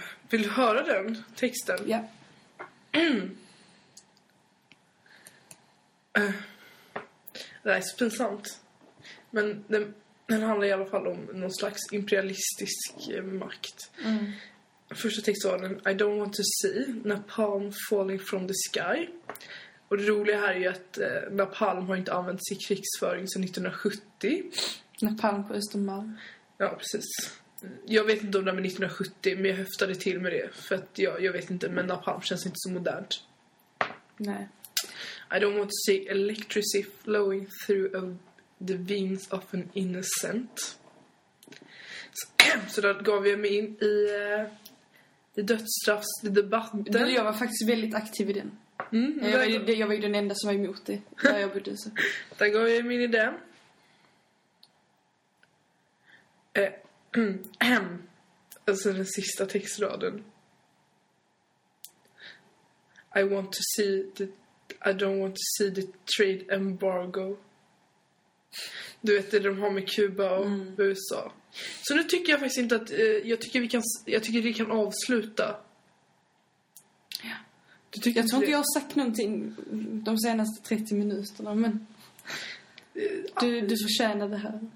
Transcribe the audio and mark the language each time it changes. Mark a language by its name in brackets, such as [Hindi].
[Swedish] Vill du höra den texten? Ja. Det är så pinsamt. Men den handlar i alla fall om någon slags imperialistisk makt. Mm. Första texten var den, [English] I don't want to see napalm falling from the sky. [Swedish] Och det roliga här är ju att napalm har inte använts i krigsföring sedan 1970. Napalm på Östermalm. Ja, precis. Jag vet inte om det är 1970, men jag höftade till med det. För att jag vet inte, men napalm känns inte så modernt. Nej. [English] I don't want to see electricity flowing through of the veins of an innocent. [Swedish] Så då gav jag mig in i dödsstraffsdebatten. Men jag var faktiskt väldigt aktiv i den. Mm, jag var ju den enda som var emot det. Där jag bodde så. Där gav jag mig in i den. Alltså den sista textraden. [English] I want to see the I don't want to see the trade embargo. [Swedish] Du vet det de har med Kuba och USA. Så nu tycker jag faktiskt inte att jag tycker vi kan avsluta. Ja. Jag tror inte jag har sagt någonting de senaste 30 minuterna, men du förtjänar det här.